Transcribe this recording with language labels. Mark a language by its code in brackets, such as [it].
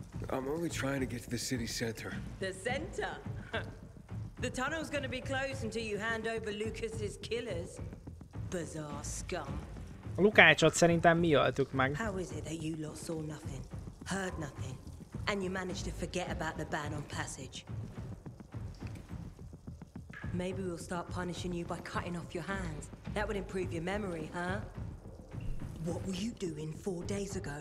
[en] I'm only trying to get to the city center. The center. The tunnel's gonna be closed until you hand over Lucas's killers. Bizarre scum. [hu] A Lukácsot szerintem mi öltük meg. [en] How is it that you lot saw nothing, heard nothing, and you managed to forget about the ban on passage? Maybe we'll start punishing you by cutting off your hands. That would improve your memory, huh? What were you doing 4 days ago?